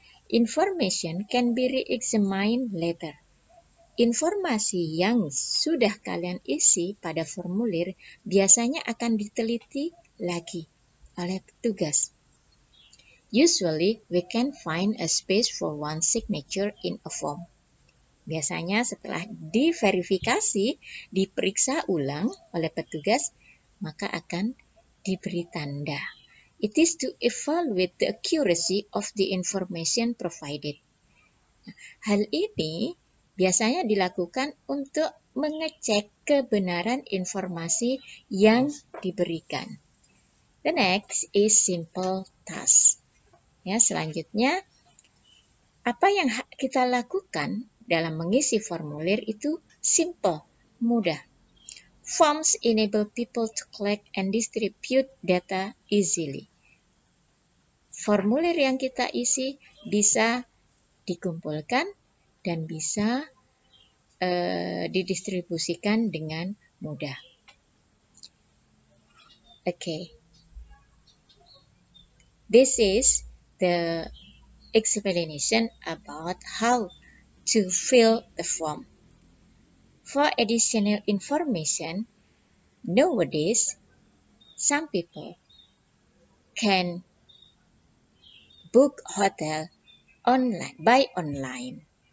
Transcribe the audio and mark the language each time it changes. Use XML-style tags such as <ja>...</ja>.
<en>Information can be re-examined later.</en> <id>Informasi yang sudah kalian isi pada formulir biasanya akan diteliti lagi oleh petugas.</id> <en>Usually, we can find a space for one signature in a form.</en> <id>Biasanya setelah diverifikasi, diperiksa ulang oleh petugas, maka akan diberi tanda.</id> <en>It is to evaluate the accuracy of the information provided.</en> <id>Hal ini biasanya dilakukan untuk mengecek kebenaran informasi yang diberikan.</id> <en>The next is simple task.</en> <id>Ya, selanjutnya, apa yang kita lakukan dalam mengisi formulir itu simple, mudah.</id> <en>Forms enable people to collect and distribute data easily.</en> <id>Formulir yang kita isi bisa dikumpulkan dan bisa didistribusikan dengan mudah.</id> <en>Okay. This is the explanation about how to fill the form. For additional information, nowadays, some people can book hotel online, by online.</en>